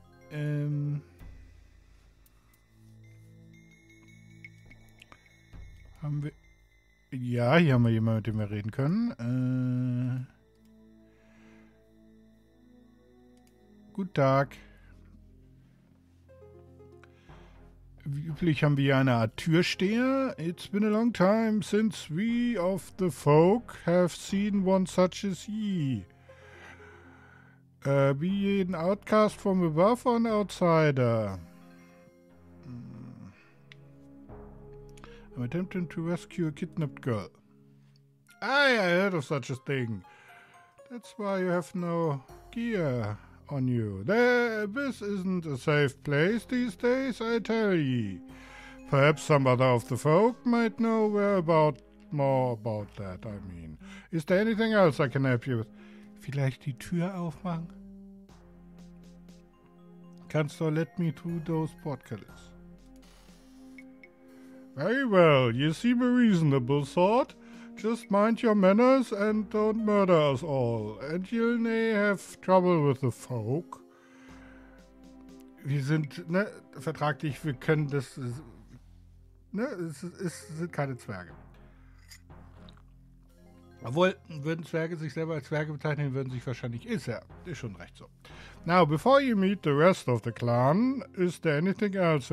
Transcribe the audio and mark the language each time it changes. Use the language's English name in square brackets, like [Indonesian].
[German] Haben wir... Ja, hier haben wir jemanden, mit dem wir reden können. Guten Tag. Wie üblich haben wir hier eine Art Türsteher. [English] It's been a long time since we of the folk have seen one such as ye. Be ye an outcast from above or an outsider? I'm attempting to rescue a kidnapped girl. Ah, yeah, I heard of such a thing. That's why you have no gear on you. This isn't a safe place these days, I tell ye. Perhaps some other of the folk might know more about that, I mean. Is there anything else I can help you with? [German] Vielleicht die Tür aufmachen? Kannst du [English] let me through those portcullis? Very well, you seem a reasonable sort. Just mind your manners and don't murder us all. And you'll nay have trouble with the folk. [German] Wir sind, ne, vertraglich, wir können das, ne, es sind keine Zwerge. Obwohl, würden Zwerge sich selber als Zwerge bezeichnen, würden sich wahrscheinlich, ist ja, ist schon recht so. [English] Now, before you meet the rest of the clan, is there anything else?